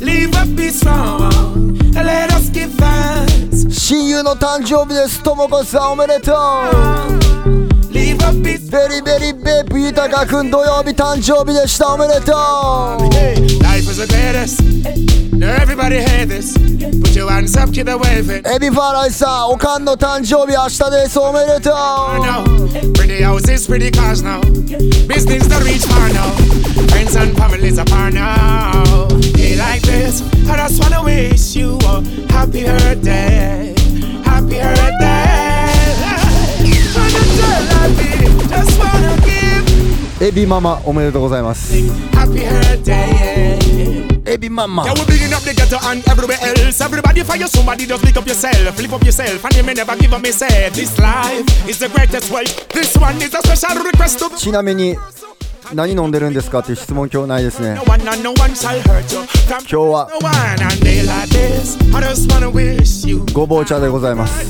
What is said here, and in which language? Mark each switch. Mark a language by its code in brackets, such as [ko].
[en] Live up this song and let us give thanks. [ja] 親友の誕生日です。ともこさん、おめでとう。 [en] Live up this. Very very baby [ja] 豊か君、土曜日誕生日でした。おめでとう。 [en] Life is the greatest. Now everybody hear this. Put your hands up, keep the waving. [ja] エビファライさん、おかんの誕生日明日です。おめでとう。 [en] Pretty houses, pretty cars now. Business the rich man now. Friends and families apart now. Day like this, I just wanna wish you a happy birthday, happy birthday. On a day like this, just wanna give. [ja] エビママ、おめでとうございます。 [en] Happy birthday. Baby mama. Yeah, we're building up the ghetto and everywhere else. Everybody fire somebody, just pick up yourself. Flip up yourself and you may never give up, me say. This life is the greatest way. This one is a special request to... [ja] ちなみに何飲んでるんですかっていう質問今日ないですね。今日はごぼう茶でございます。